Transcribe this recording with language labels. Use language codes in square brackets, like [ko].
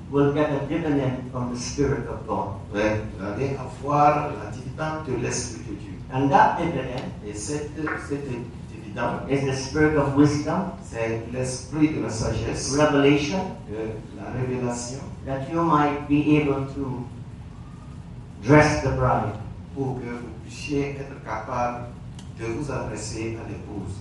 [en] Will get a dividend from the Spirit of God. [fr] Ouais, vous allez avoir la dividende de l'Esprit de Dieu. [en] And that dividend. [fr] Et cette dividende. [en] Is the Spirit of Wisdom. [fr] C'est l'Esprit de la sagesse. [en] Revelation. [fr] La révélation. [en] That you might be able to dress the bride. [fr] Pour que vous puissiez être capable de vous adresser à l'épouse.